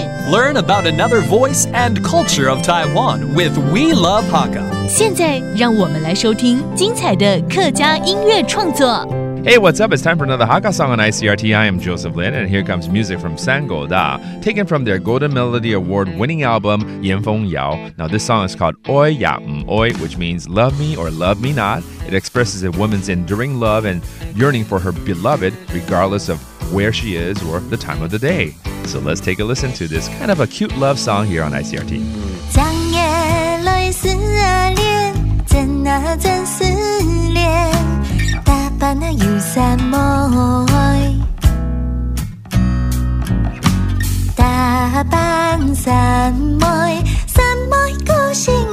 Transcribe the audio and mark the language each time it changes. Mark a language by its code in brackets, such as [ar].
[en] Learn about another voice and culture of Taiwan with We Love Hakka. [zh] 现在让我们来收听精彩的客家音乐创作。 [en] Hey, what's up? It's time for another Hakka song on ICRT. I am Joseph Lin, and here comes music from San Geu Tai, taken from their Golden Melody Award winning album, 炎风谣. Now, this song is called 爱抑毋爱, which means love me or love me not. It expresses a woman's enduring love and yearning for her beloved, regardless of where she is or the time of the day. So let's take a listen to this kind of a cute love song here on ICRT. 长夜泪湿脸，怎啊怎思念烦恼有什么爱打扮三妹三妹个性